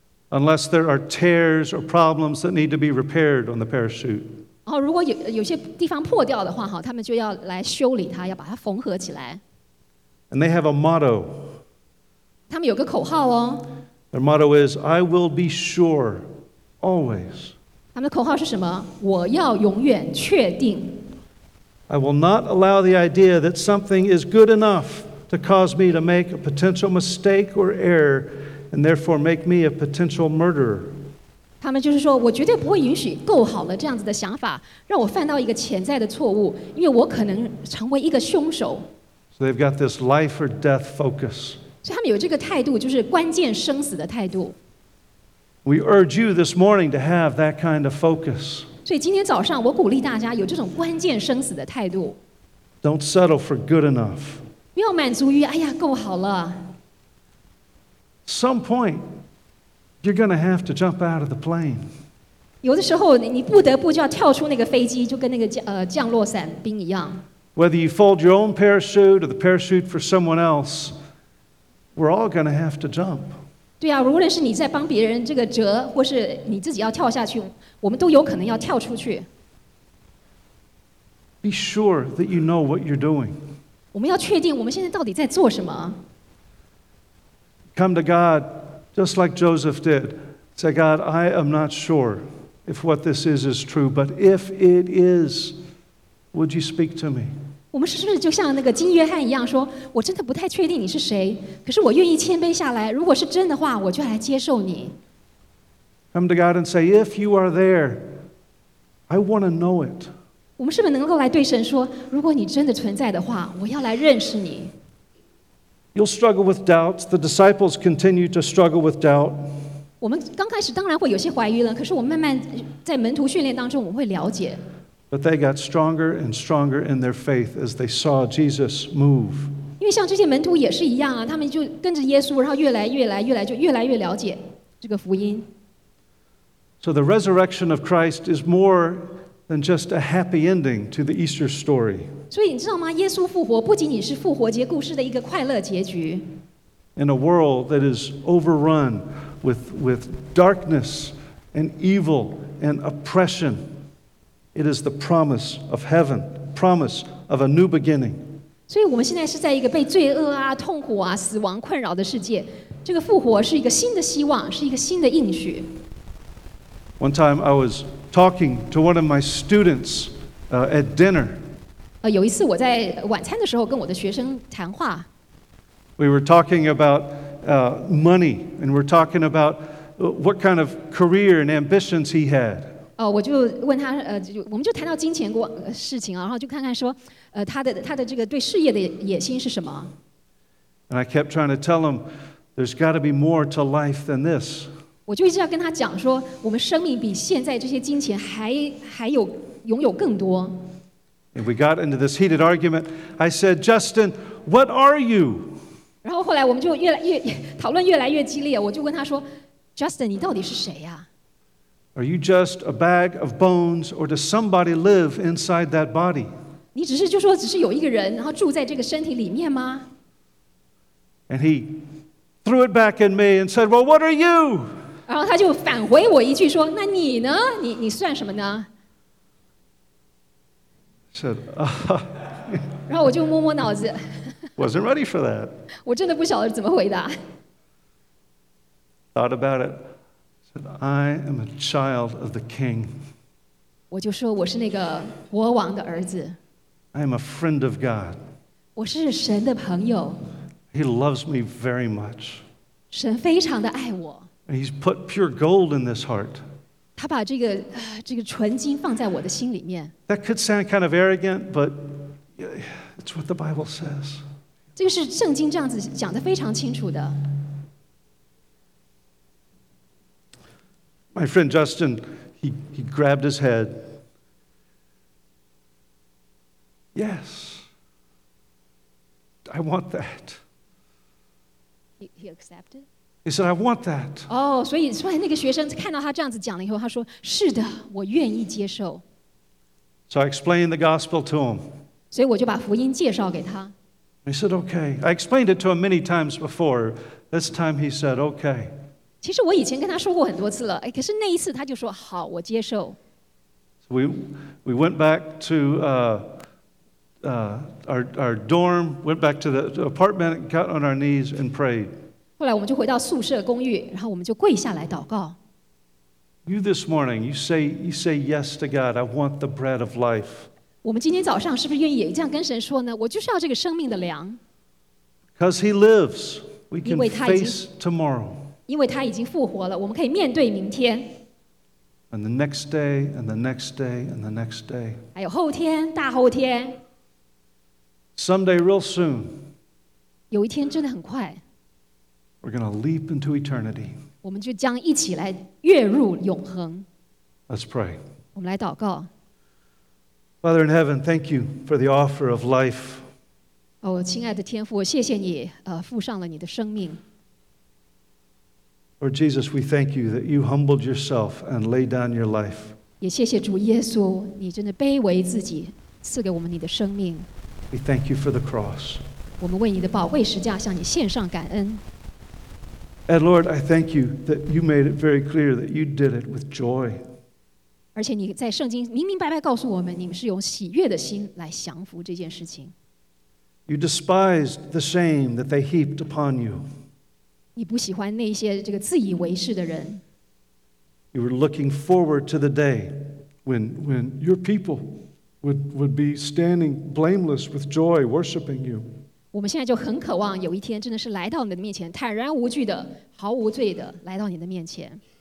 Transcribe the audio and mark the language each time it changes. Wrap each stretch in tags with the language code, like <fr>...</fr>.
<en>Unless there are tears or problems that need to be repaired on the parachute.</en> <zh>然后如果有些地方破掉的话，他们就要来修理它，要把它缝合起来。</zh> <en>And they have a motto.</en> <zh>他们有个口号哦。</zh> <en>Their motto is, "I will be sure, always."</en> <zh>他们的口号是什么？我要永远确定。</zh> <en>I will not allow the idea that something is good enough to cause me to make a potential mistake or error, and therefore make me a potential murderer.</en> <zh>他们就是说，我绝对不会允许够好了这样子的想法让我犯到一个潜在的错误，因为我可能成为一个凶手。</zh> <en>So they've got this life or death focus.</en> <zh>所以他们有这个态度，就是关键生死的态度。</zh> <en>We urge you this morning to have that kind of focus.</en> <zh>所以今天早上我鼓励大家有这种关键生死的态度。</zh> <en>Don't settle for good enough.</en> <zh>不要满足于哎呀够好了。</zh> <en>Some point, you're going to have to jump out of the plane.</en> <zh>有的时候你不得不就要跳出那个飞机，就跟那个降落伞兵一样。</zh> <en>Whether you fold your own parachute or the parachute for someone else, we're all going to have to jump.</en> <zh>对啊，无论是你在帮别人这个折，或是你自己要跳下去，我们都有可能要跳出去。</zh> <en>Be sure that you know what you're doing.</en> <zh>我们要确定我们现在到底在做什么。</zh> <en>Come to God, just like Joseph did. Say, God, I am not sure if what this is true, but if it is, would you speak to me?</en> <zh>我们是不是就像那个金约翰一样说，我真的不太确定你是谁，可是我愿意谦卑下来，如果是真的话，我就来接受你。</zh> <en>Come to God and say, if you are there, I want to know it.</en> <zh>我们是不是能够来对神说，如果你真的存在的话，我要来认识你。</zh> <en>You'll struggle with doubts. The disciples continue to struggle with doubt.</en> <zh>我们刚开始当然会有些怀疑了，可是我慢慢在门徒训练当中，我会了解。</zh> <en>But they got stronger and stronger in their faith as they saw Jesus move.</en> <zh>因为像这些门徒也是一样啊，他们就跟着耶稣，然后越来越来，就越来越了解这个福音。</zh> <en>So the resurrection of Christ is more than just a happy ending to the Easter story.</en> <zh>所以你知道吗？耶稣复活不仅仅是复活节故事的一个快乐结局。</zh> <en>In a world that is overrun with darkness and evil and oppression. It is the promise of heaven, promise of a new beginning.</en> <zh>所以我们现在是在一个被罪恶啊、痛苦啊、死亡困扰的世界。这个复活是一个新的希望，是一个新的应许。</zh> <en>One time I was talking to one of my students at dinner.</en> <zh>有一次我在晚餐的时候跟我的学生谈话。</zh> <en>We were talking about money, and we're talking about what kind of career and ambitions he had.</en> <zh>我就问他，我们就谈到金钱过事情啊，然后就看看说，他的这个对事业的野心是什么。</zh> <en>And I kept trying to tell him, there's got to be more to life than this.</en> <zh>我就一直要跟他讲说，我们生命比现在这些金钱还有拥有更多。</zh> <en>And we got into this heated argument. I said, Justin, what are you?</en> <zh>然后后来我们就讨论越来越激烈，我就问他说 ，Justin, 你到底是谁呀？</zh> <en>Are you just a bag of bones, or does somebody live inside that body?</en> <zh>你只是就说只是有一个人，然后住在这个身体里面吗？</zh> <en>And he threw it back at me and said, "Well, what are you?"</en> <zh>然后他就返回我一句说，那你呢？你算什么呢？</zh> <en>Said, "Ah."</en> <zh>然后我就摸摸脑子。</zh> <en>Wasn't ready for that.</en> <zh>我真的不晓得怎么回答。</zh> <en>Thought about it. I am a child of the King.</en> <zh>我就说我是那个国王的儿子。</zh> <en>I am a friend of God.</en> <zh>我是神的朋友。</zh> <en>He loves me very much.</en> <zh>神非常的爱我。</zh> <en>He's put pure gold in this heart.</en> <zh>他把这个纯金放在我的心里面。</zh> <en>That could sound kind of arrogant, but it's what the Bible says.</en> <zh>这个是圣经这样子讲的非常清楚的。</zh> <en>My friend Justin, he grabbed his head. Yes, I want that. He accepted. He said, "I want that."</en> <zh>Oh, 所以那个学生看到他这样子讲了以后，他说：“是的，我愿意接受。”</zh> <en>So I explained the gospel to him.</en> <zh>所以我就把福音介绍给他。</zh> <en>He said, "Okay." I explained it to him many times before. This time, he said, "Okay."</en> <zh>其实我以前跟他说过很多次了，可是那一次他就说好，我接受。</zh> <en>So、we went back to our dorm, went back to the apartment, got on our knees and prayed.</en> <zh>后来我们就回到宿舍公寓，然后我们就跪下来祷告。</zh> <en>You this morning, you say yes to God. I want the bread of life.</en> <zh>我们今天早上是不是愿意也这样跟神说呢？我就是要这个生命的粮。</zh> <en>Because He lives, we can face tomorrow.</en> <zh>因为他已经复活了，我们可以面对明天。</zh> <en>And the next day, and the next day, and the next day.</en> <zh>还有后天，大后天。</zh> <en>Someday, real soon.</en> <zh>有一天真的很快。</zh> <en>We're going to leap into eternity.</en> <zh>我们就将一起来跃入永恒。</zh> <en>Let's pray.</en> <zh>我们来祷告。</zh> <en>Father in heaven, thank you for the offer of life.</en> <zh>哦，亲爱的天父，谢谢你，付上了你的生命。</zh> <en>Lord Jesus, we thank you that you humbled yourself and laid down your life.</en> <zh>也谢谢主耶稣，你真的卑微自己，赐给我们你的生命。</zh> <en>We thank you for the cross.</en> <zh>我们为你的宝贵十字架向你献上感恩。</zh> <en>And Lord, I thank you that you made it very clear that you did it with joy.</en> <zh>而且你在圣经明明白白告诉我们，你们是用喜悦的心来降服这件事情。</zh> <en>You despised the shame that they heaped upon you.</en> <zh>你不喜欢那些这个自以为是的人。</zh> <en>You were looking forward to the day when your people would be standing blameless with joy, worshiping you.</en> <zh>我们现在就很渴望有一天真的是来到你的面前，坦然无惧的，毫无罪的来到你的面前。</zh>